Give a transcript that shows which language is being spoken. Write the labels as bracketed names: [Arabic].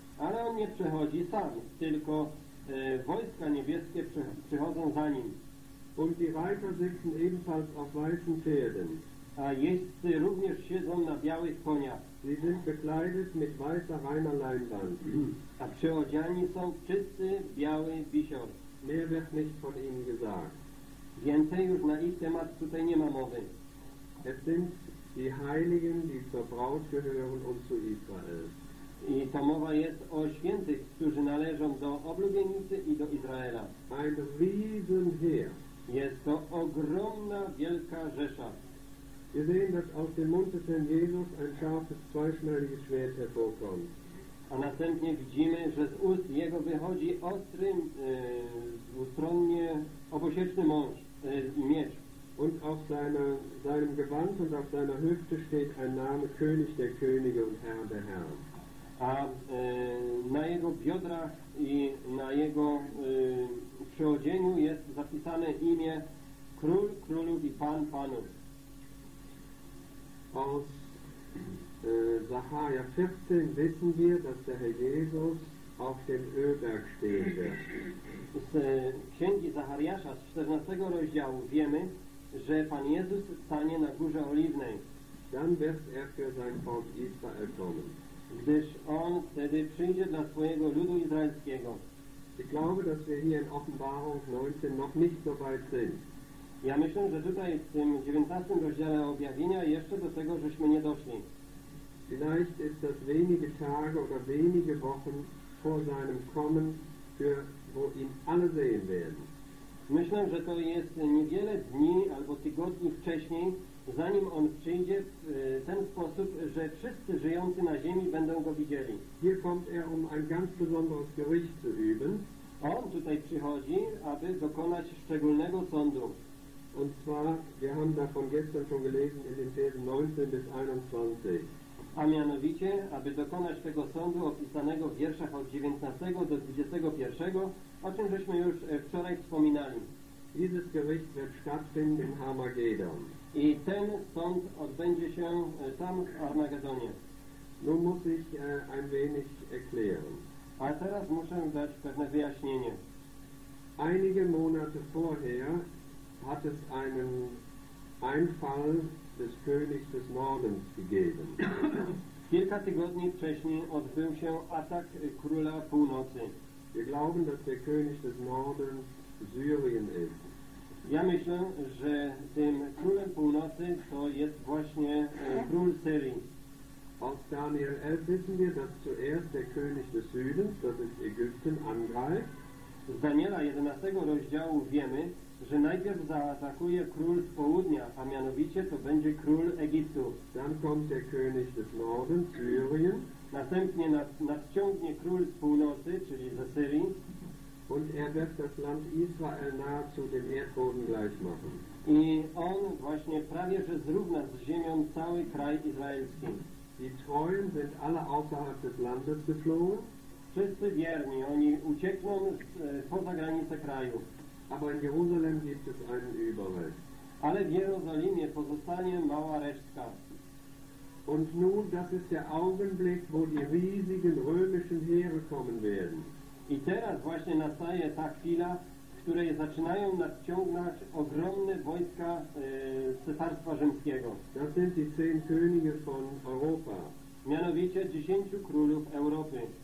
[Polish] Ale on nie przechodzi sam, tylko wojska niebieskie przychodzą za nim. [German] Und die Reiter sitzen ebenfalls auf weißen Pferden. [Polish] A jeźdźcy również siedzą na białych koniach. [German] Sie sind bekleidet mit weißer reiner Leinwand. [Polish] A przyodziani są w czysty biały wisior. [German] Mehr wird nicht von ihnen gesagt. [Polish] Więcej już na ich temat tutaj nie ma mowy. [German] Es sind die Heiligen, die zur Braut gehören und zu Israel. [Polish] I to mowa jest o świętych, którzy należą do oblubienicy i do Izraela. [German] Ein Riesenheer. [Polish] Jest to ogromna, wielka rzesza. [German] Wir sehen, dass aus dem Mund des Herrn Jesus ein scharfes, zweischneidiges Schwert hervorkommt. [Polish] A następnie widzimy, że z ust jego wychodzi ostry, dwustronnie obosieczny mąż, miecz. [German] Und auf seinem Gewand und auf seiner Hüfte steht ein Name, König der Könige und Herr der Herren. [Polish] A na jego biodrach i na jego przyodzieniu jest zapisane imię Król Królów i Pan Panów. [German] Aus Zacharia 14 wissen wir, dass der Herr Jesus auf dem Ölberg stehen wird. [Polish] Z Księgi Zachariasza z 14 rozdziału wiemy, że Pan Jezus stanie na Górze Oliwnej. [German] Dann wird für sein Volk Israel kommen. [Polish] Gdyż on wtedy przyjdzie dla swojego ludu izraelskiego. [German] Ich glaube, dass wir hier in Offenbarung 19 noch nicht so weit sind. [Polish] Ja myślę, że tutaj w tym 19 rozdziale objawienia jeszcze do tego, żeśmy nie doszli. [German] Vielleicht ist das wenige Tage oder wenige Wochen vor seinem Kommen, wo ihn alle sehen werden. [Polish] Myślę, że to jest niewiele dni albo tygodni wcześniej, zanim on przyjdzie w ten sposób, że wszyscy żyjący na ziemi będą go widzieli. [German] Hier kommt er, um ein ganz besonderes Gericht zu üben. [Polish] On tutaj przychodzi, aby dokonać szczególnego sądu. [German] Und zwar, wir haben davon gestern schon gelesen in den Versen 19 bis 21. [Polish] A mianowicie, aby dokonać tego sądu opisanego w wierszach od 19 do 21, o czym żeśmy już wczoraj wspominali. [German] Dieses Gericht wird stattfinden in Armageddon. [Polish] I ten sąd odbędzie się tam w Armagedonie. [German] Nun muss ich ein wenig erklären. [Polish] A teraz muszę dać pewne wyjaśnienie. [German] Einige Monate vorher hat es einen Einfall des Königs des Nordens gegeben. [Polish] Kilka tygodni wcześniej odbył się atak króla północy. [German] Wir glauben, dass der König des Nordens Syrien ist. [Polish] Ja myślę, że tym królem północy to jest właśnie król Syrii. [German] Aus Daniel 11 wissen wir, dass zuerst der König des Südens, das ist Ägypten, angreift. [Polish] Z Daniela 11 rozdziału wiemy, że najpierw zaatakuje król z południa, a mianowicie to będzie król Egiptu. [German] Dann kommt der König des Nordens, Syrien. [Polish] Następnie nadciągnie król z północy, czyli ze Syrii. [German] Und wird das Land Israel nahezu dem Erdboden gleich machen. [Polish] I on właśnie prawie że zrówna z ziemią cały kraj izraelski. [German] Die Treuen sind alle außerhalb des Landes geflohen. [Polish] Wszyscy wierni, oni uciekną poza granice kraju. [German] Aber in Jerusalem gibt es einen Überrest. [Polish] Ale w Jerozolimie pozostanie mała resztka. [German] Und nun, das ist der Augenblick, wo die riesigen römischen Heere kommen werden. [Polish] I teraz właśnie nastaje ta chwila, w której zaczynają nadciągnąć ogromne wojska Cesarstwa Rzymskiego. [German] Das sind die zehn Könige von Europa. [Polish] Mianowicie 10 królów Europy.